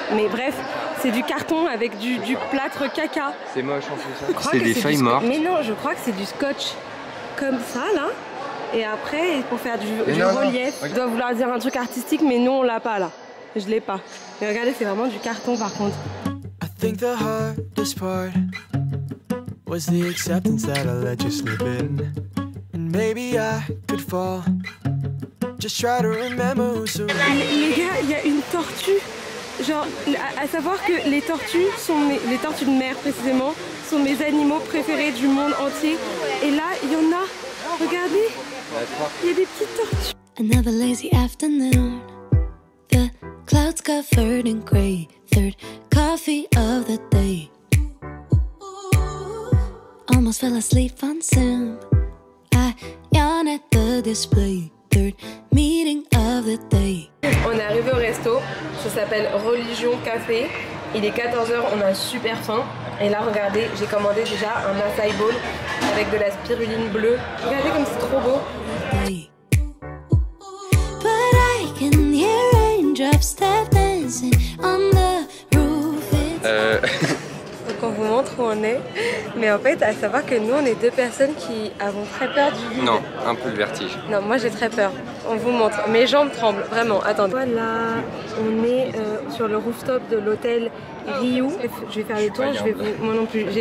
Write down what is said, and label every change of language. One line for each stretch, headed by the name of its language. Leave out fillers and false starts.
French: Mais bref, c'est du carton avec du plâtre caca. C'est moche en fait, ça. C'est des feuilles mortes. Mais non, je crois que c'est du scotch comme ça là. Et après, pour faire du relief. Je dois vouloir dire un truc artistique, mais nous on l'a pas là. Je l'ai pas. Mais regardez, c'est vraiment du carton par contre.
English: I think the hardest part was the acceptance that I let you slip in. And maybe I could fall. Just try to remember who's around.
French: Les gars, il y a une tortue. Genre, à savoir que les tortues sont les tortues de mer précisément, sont mes animaux préférés du monde entier. Et là, il y en a. Regardez. Il y a des petites tortues.
English: Another lazy afternoon. The clouds covered in gray. Third coffee of the day. Almost fell asleep on Zoom. I yawn at the display. Meeting of the day.
French: On est arrivé au resto, ça s'appelle Religion Café. Il est 14h, on a super faim. Et là, regardez, j'ai commandé déjà un acai bowl avec de la spiruline bleue. Regardez comme c'est trop beau.
English: But I can hear raindrops that dancing on the roof.
French: Donc on vous montre où on est. Mais en fait, à savoir que nous, on est deux personnes qui avons très peur du vide. Non, un peu le vertige. Non, moi j'ai très peur. On vous montre. Mes jambes tremblent, vraiment. Attendez. Voilà, on est sur le rooftop de l'hôtel Ryu. Je vais faire le tour. Moi non plus.